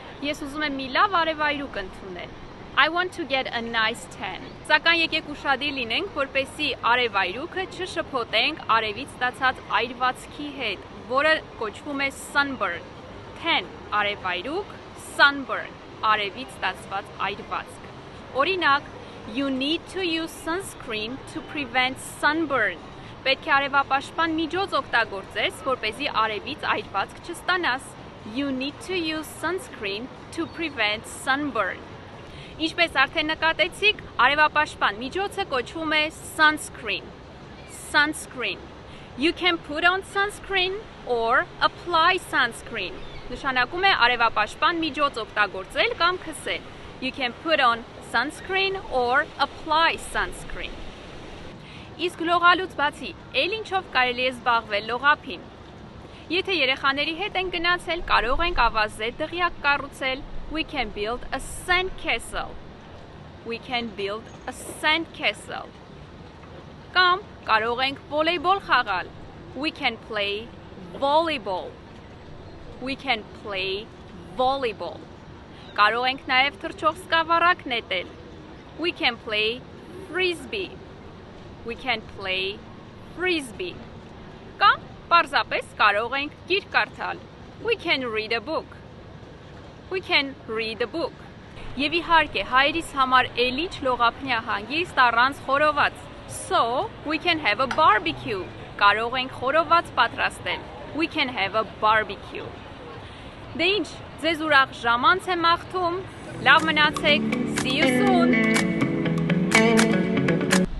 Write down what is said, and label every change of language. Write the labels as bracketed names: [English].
[Armenian] Ես ուզում եմ մի լավ արևայրուք ընդունել. [English] I want to get a nice tan. [Armenian] Սակայն եկեք ուրախալի լինենք, որպեսզի արևայրուքը չշփոթենք արևից ստացած այրվածքի հետ, որը կոչվում է sunburn. Tan արևայրուք, sunburn արևից ստացված այրվածք. [English] Օրինակ, you need to use sunscreen to prevent sunburn. [Armenian] Պետք է արևապաշտպան միջոց օգտագործես, որպեսզի արևից այրվածք չստանաս. [English] You need to use sunscreen to prevent sunburn. [Armenian] Ինչպես արդեն նկատեցիք, արևապաշտպան միջոցը կոչվում է sunscreen. Sunscreen. [English] You can put on sunscreen or apply sunscreen. [Armenian] Նշանակում է արևապաշտպան միջոց օգտագործել կամ քսել. [English] You can put on sunscreen or apply sunscreen. [Armenian] Իսկ լողալուց բացի, այլ ինչով կարելի է զբաղվել լողափին? Եթե երեխաների հետ են գնացել, կարող ենք ավազե դղյակ կառուցել. [English] We can build a sand castle. We can build a sand castle. [Armenian] Կամ կարող ենք վոլեյբոլ խաղալ. [English] We can play volleyball. We can play volleyball. [Armenian] Կարող ենք նաև թռչող սկավառակ նետել. [English] We can play frisbee. We can play frisbee. [Armenian] Կամ պարզապես կարող ենք գիրք կարդալ. [English] We can read a book. We can read the book. [Armenian] Եվ իհարկե հայերիս համար էլիչ լողափնյա հանգիստ առանց խորոված. [English] So, we can have a barbecue. [Armenian] Կարող ենք խորոված պատրաստել. [English] We can have a barbecue. [Armenian] Դե ինչ, ձեզ ուրախ ժամանց եմ աղթում, լավ մնացեք, [English] see you soon!